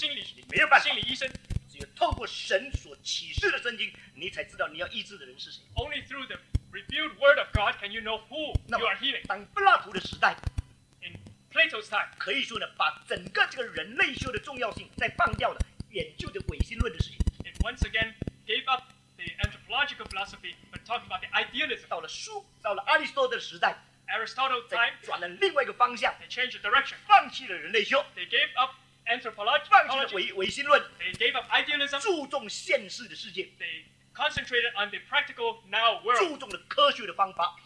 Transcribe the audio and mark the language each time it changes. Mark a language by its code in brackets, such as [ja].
[zh] 心理学家，如果你不认识上帝，你不能做一个心理医生。只有透过神所启示的圣经，你才知道你要医治的人是谁。 [en] Only through the revealed word of God can you know who you are healing. [zh] 当柏拉图的时代， [en] In Plato's time, [zh] 可以说呢，把整个这个人类学的重要性再放掉了，研究的唯心论的事情。 [en] It once again gave up the anthropological philosophy, but talked about the idealism. [zh] 到了阿里斯多德的时代， [en] Aristotle's time, [zh] 转了另外一个方向， [en] They changed the direction. [zh] 放弃了人类学， [en] They gave up anthropology, [zh] 放弃了唯心论， [en] They gave up idealism, [zh] 注重现实的世界， [en] They concentrated on the practical now world, [zh] 注重了科学的方法，